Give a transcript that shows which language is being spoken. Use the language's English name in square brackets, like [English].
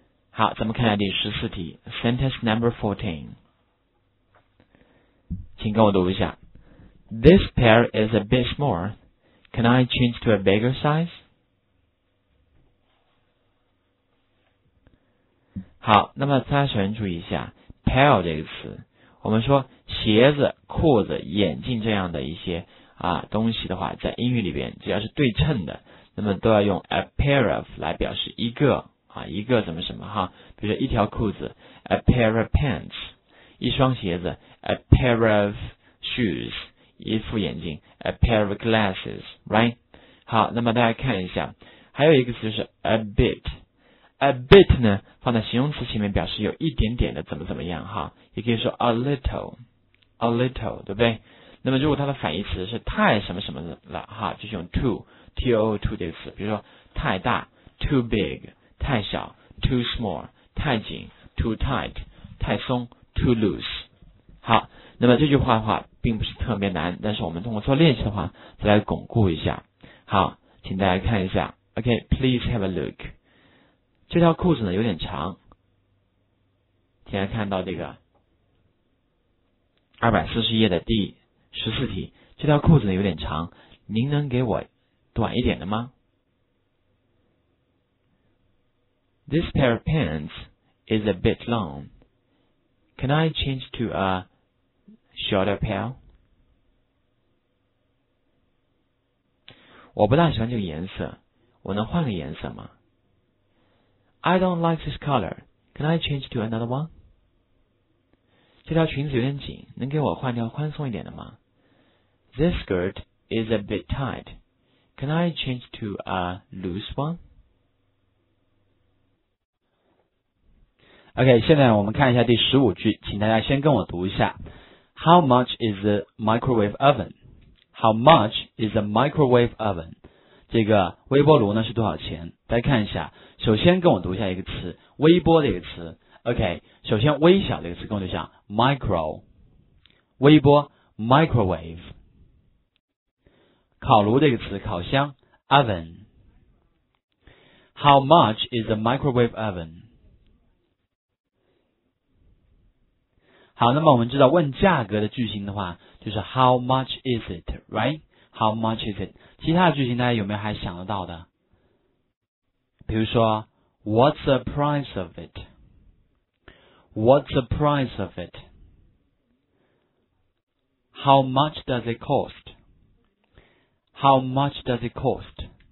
[Chinese] 好，咱们看一下第14题， [English] Sentence number 14， [Chinese] 请跟我读一下。 [English] This pair is a bit small. Can I change to a bigger size? [Chinese] 好，那么大家首先注意一下 pair 这个词。我们说鞋子、裤子、眼镜这样的一些东西的话，在英语里边，只要是对称的，那么都要用 a pair of 来表示一个一个怎么什么比如说一条裤子 [English] a pair of pants， [Chinese] 一双鞋子 [English] a pair of shoes， [Chinese] 一副眼镜 [English] a pair of glasses， [Chinese] right？好，那么大家看一下，还有一个词就是 a bit。 A bit 呢，放在形容词前面表示有一点点的怎么怎么样也可以说 a little，对不对？那么如果它的反义词是太什么什么的了就是用 too 这个词，比如说太大 too big 太小 too small 太紧 too tight 太松 too loose。好，那么这句话的话并不是特别难，但是我们通过做练习的话再来巩固一下。好，请大家看一下， [English] OK，please have a look。 [Chinese] 这条裤子呢有点长，现在看到这个241页的第14题，这条裤子呢有点长，您能给我短一点的吗？ [English] This pair of pants is a bit long. Can I change to a shorter pair? [Chinese] 我不大喜欢这个颜色，我能换个颜色吗？ [English] I don't like this color. Can I change to another one? [Chinese] 这条裙子有点紧，能给我换条宽松一点的吗？ [English] This skirt is a bit tight. Can I change to a loose one? [Chinese] OK，现在我们看一下第15句，请大家先跟我读一下。 [English] How much is the microwave oven? How much is the microwave oven? [Chinese] 这个微波炉呢是多少钱？大家看一下，首先跟我读一下一个词，微波这个词。 OK， 首先微小这个词跟我读一下 ，micro， 微波 ，microwave， 烤炉这个词，烤箱 ，oven。 [English] How much is a microwave oven？ [Chinese] 好，那么我们知道问价格的句型的话，就是 How much is it？ [English] Right？ How much is it？ [Chinese] 其他的句型大家有没有还想得到的？ [English] 比如说 What's the price of it？ What's the price of it？ How much does it cost？ How much does it cost？